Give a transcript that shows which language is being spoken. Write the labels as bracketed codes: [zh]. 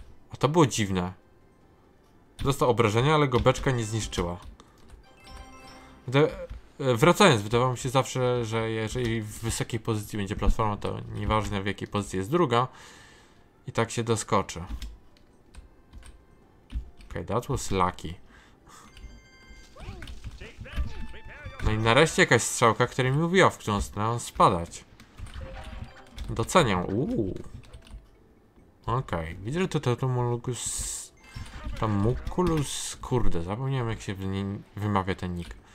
[pl] A to było dziwne. Dostał obrażenia, ale go beczka nie zniszczyła. Wracając, wydawało mi się zawsze, że jeżeli w wysokiej pozycji będzie platforma, to nieważne w jakiej pozycji jest druga, i tak się doskoczy. [en] Okej, okay, that was lucky. [pl] No i nareszcie jakaś strzałka, która mi mówiła, w którą stronę spadać. Doceniam, okej, okay. Widzę, że to Tumulus... Tumulus, kurde, zapomniałem jak się wymawia ten nick.